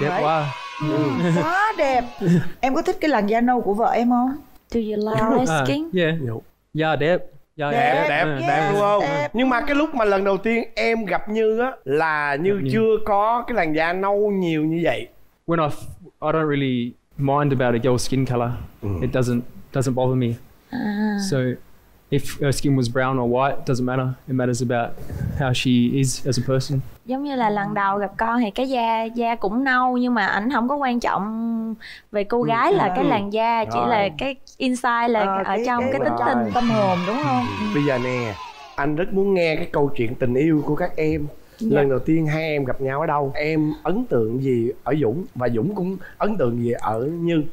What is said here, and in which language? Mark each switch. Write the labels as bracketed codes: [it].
[vi] Đẹp quá. [en] Right? [vi] Quá đẹp. Em có thích cái làn da nâu của vợ em không? [en] Do you like skin? [vi] Yeah. Da đẹp. Da đẹp. Đẹp đúng không? Đẹp. Nhưng mà cái lúc mà lần đầu tiên em gặp Như á là Như gặp chưa Như có cái làn da nâu nhiều như vậy. [en] When I don't really mind about a girl's skin color. It doesn't bother me. So if her skin was brown or white, doesn't matter. It matters about how she is as a person. [vi] Giống như là lần đầu gặp con thì cái da cũng nâu nhưng mà ảnh không có quan trọng về cô gái là cái làn da, chỉ là cái inside là ở trong cái tính tình tâm hồn đúng không? Bây giờ nè, anh rất muốn nghe cái câu chuyện tình yêu của các em. Dạ. Lần đầu tiên hai em gặp nhau ở đâu? Em ấn tượng gì ở Dũng và Dũng cũng ấn tượng gì ở Như?